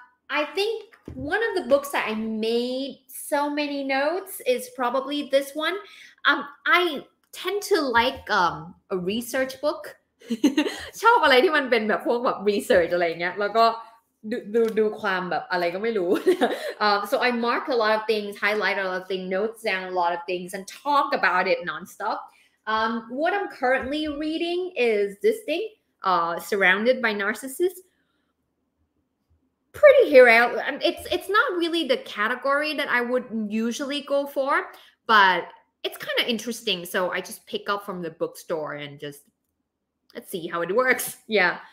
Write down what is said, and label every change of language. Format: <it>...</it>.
<en>I think one of the books that I made so many notes is probably this one. I tend to like a research book.</en> <th>ชอบอะไรที่มันเป็นแบบพวกแบบ research อะไรเงี้ยแล้วก็ดูความแบบอะไรก็ไม่รู้</th> <en>so I mark a lot of things, highlight a lot of things, notes down a lot of things and talk about it nonstop. What I'm currently reading is this thing, Surrounded by Narcissists. Pretty hero. It's not really the category that I would usually go for, but it's kind of interesting. So I just pick up from the bookstore and just let's see how it works. Yeah.</en>